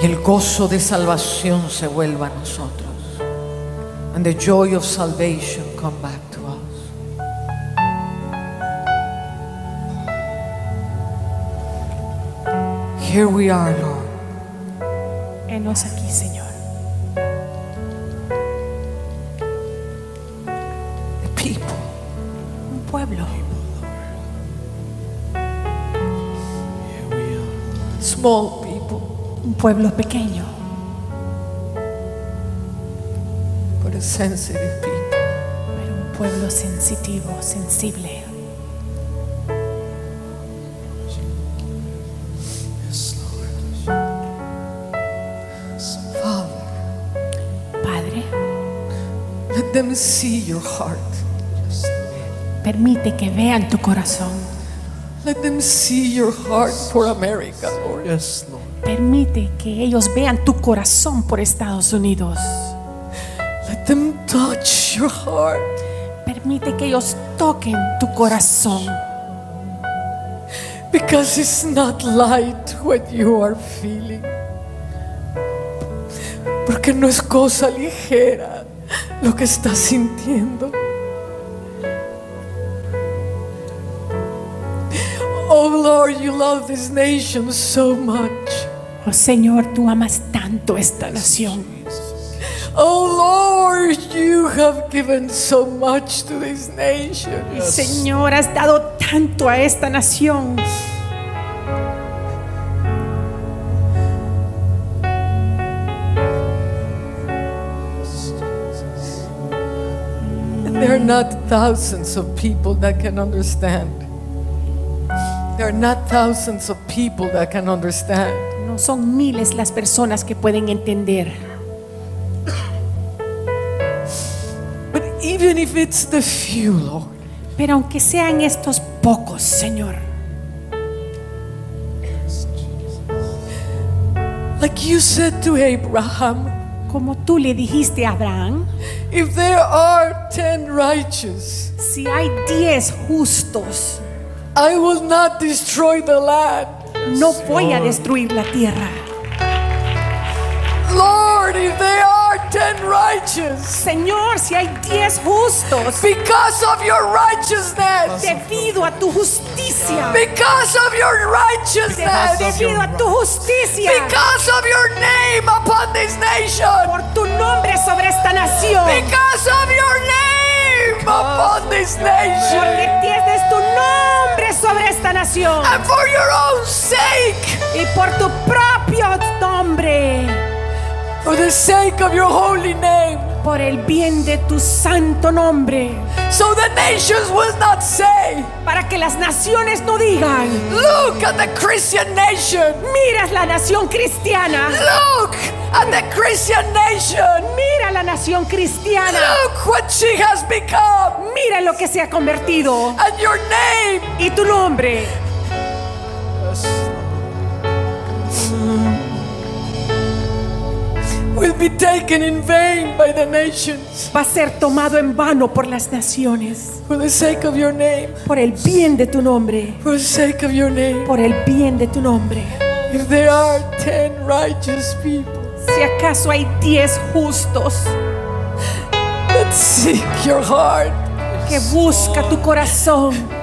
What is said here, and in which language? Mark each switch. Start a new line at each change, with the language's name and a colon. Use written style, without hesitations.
Spanish: Gozo de salvación se vuelva a nosotros.
English: And the joy of salvation come back to us. Here we are, Lord.
Spanish: Enos aquí, Señor.
English: The people.
Spanish: Un pueblo.
English: Small.
Spanish: Un pueblo pequeño,
English: but a sensitive people.
Spanish: Pero un pueblo sensitivo, sensible.
English: Yes, Lord. Father,
Spanish: Padre,
English: let them see your heart.
Spanish: Permite que vean tu corazón.
English: Let them see your heart for America, Lord. Yes, Lord.
Spanish: Permite que ellos vean tu corazón por Estados Unidos.
English: Let them touch your heart.
Spanish: Permite que ellos toquen tu corazón.
English: Because it's not light what you are feeling.
Spanish: Porque no es cosa ligera lo que estás sintiendo.
English: Oh Lord, you love this nation so much.
Spanish: Oh Señor, tú amas tanto esta nación.
English: Oh Lord, you have given so much to this nation. Yes.
Spanish: Señor, has dado tanto a esta nación.
English: And there are not thousands of people that can understand. There are not thousands of people that can understand.
Spanish: Son miles las personas que pueden entender.
English: But even if it's the few, Lord,
Spanish: pero aunque sean estos pocos, Señor,
English: like you said to Abraham,
Spanish: como tú le dijiste a Abraham,
English: if there are 10 righteous,
Spanish: si hay 10 justos,
English: I will not destroy the land.
Spanish: No voy a destruir la tierra.
English: Lord, if there are 10 righteous.
Spanish: Señor, si hay 10 justos.
English: Because of your righteousness.
Spanish: Debido a tu justicia.
English: Because of your righteousness.
Spanish: Debido a tu justicia.
English: Because of your name upon this nation.
Spanish: Por tu nombre sobre esta nación.
English: Because of your name upon this nation.
Spanish: Porque tienes tu nombre sobre esta nación.
English: And for your own sake.
Spanish: Y por tu propio nombre.
English: For the sake of your holy name.
Spanish: Por el bien de tu santo nombre.
English: So the nations will not say.
Spanish: Para que las naciones no digan.
English: Look at the Christian nation.
Spanish: Mira la nación cristiana.
English: Look at the Christian nation.
Spanish: Mira la nación cristiana.
English: Look what she has become.
Spanish: Mira lo que se ha convertido.
English: And your name.
Spanish: Y tu nombre.
English: Will be taken in vain by the nations.
Spanish: Va a ser tomado en vano por las naciones.
English: For the sake of your name.
Spanish: Por el bien de tu nombre.
English: For the sake of your name.
Spanish: Por el bien de tu nombre.
English: If there are 10 righteous people.
Spanish: Si acaso hay 10 justos.
English: That seek your heart.
Spanish: Que busca tu corazón.